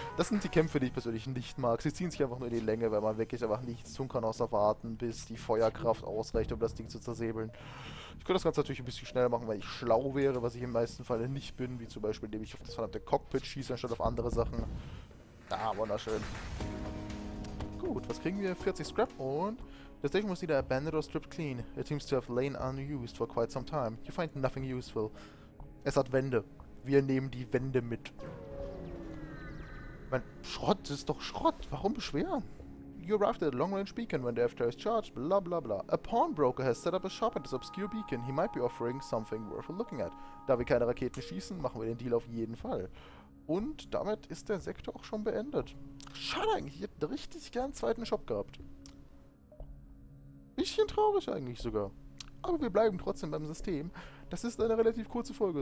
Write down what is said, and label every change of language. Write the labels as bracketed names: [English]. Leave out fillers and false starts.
[German] Das sind die Kämpfe, die ich persönlich nicht mag. Sie ziehen sich einfach nur in die Länge, weil man wirklich einfach nichts tun kann, außer warten, bis die Feuerkraft ausreicht, um das Ding zu zersäbeln. Ich könnte das Ganze natürlich ein bisschen schneller machen, weil ich schlau wäre, was ich im meisten Falle nicht bin. Wie zum Beispiel, indem ich auf das verdammte Cockpit schieße, anstatt auf andere Sachen. Da, ah, wunderschön. Gut, was kriegen wir? 40 Scrap und... [English] The station was either abandoned or stripped clean. It seems to have lain unused for quite some time. You find nothing useful. [German] Es hat Wände. Wir nehmen die Wände mit. Mein Schrott ist doch Schrott. Warum beschweren? [English] You arrived at a long-range beacon when the FTL is charged, blah blah blah. A pawnbroker has set up a shop at this obscure beacon. He might be offering something worth looking at. [German] Da wir keine Raketen schießen, machen wir den Deal auf jeden Fall. Und damit ist der Sektor auch schon beendet. Schade eigentlich, ich hätte richtig gern einen zweiten Shop gehabt. Bisschen traurig eigentlich sogar. Aber wir bleiben trotzdem beim System. Das ist eine relativ kurze Folge.